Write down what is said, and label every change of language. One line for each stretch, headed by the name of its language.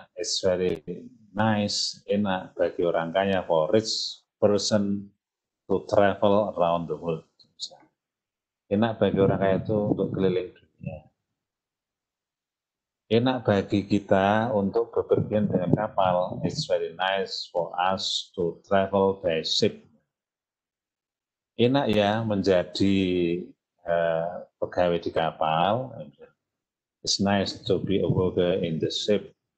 English: It's very nice,
Indonesian: enak bagi orang kaya
English: for rich person to travel around the world.
Indonesian: Enak bagi orang kaya itu untuk keliling dunia. Enak bagi kita untuk bepergian dengan kapal.
English: It's very nice for us to travel by ship.
Indonesian: Enak ya menjadi pegawai di kapal.
English: It's nice to be a worker in the ship.